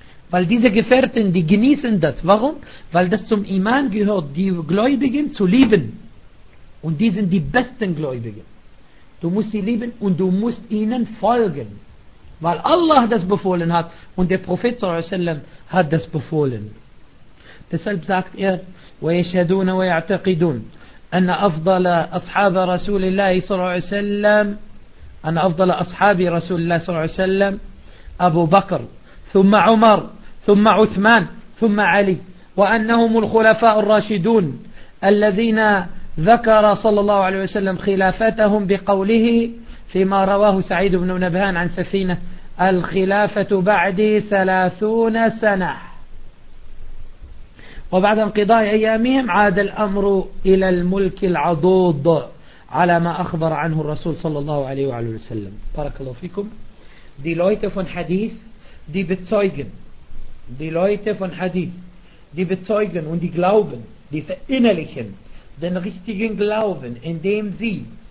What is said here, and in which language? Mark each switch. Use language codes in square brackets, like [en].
[de] Weil diese Gefährten, die genießen das. Warum? Weil das zum Iman gehört, die Gläubigen zu lieben. Und die sind die besten Gläubigen. Du musst sie lieben und du musst ihnen folgen. Weil Allah das befohlen hat und der Prophet s.a.w. hat das befohlen. Deshalb sagt er, [ar] وَيَشْهَدُونَ وَيَعْتَقِدُونَ أَنَّ أَفْضَلَ أَصْحَابَ رَسُولِ اللَّهِ صَلَّى اللَّهُ عَلَيْهِ وَسَلَّمَ أَبُو بَكْرٍ ثم عمر ثم عثمان ثم علي وأنهم الخلفاء الراشدون الذين ذكر صلى الله عليه وسلم خلافتهم بقوله فيما رواه سعيد بن نبهان عن سفينة الخلافة بعد 30 سنة وبعد انقضاء أيامهم عاد الأمر إلى الملك العضوض على ما أخبر عنه الرسول صلى الله عليه وسلم. بارك الله فيكم. دي لويت فون حديث [de] die bezeugen, die Leute von Hadith, die bezeugen und die glauben, die verinnerlichen den richtigen Glauben, indem sie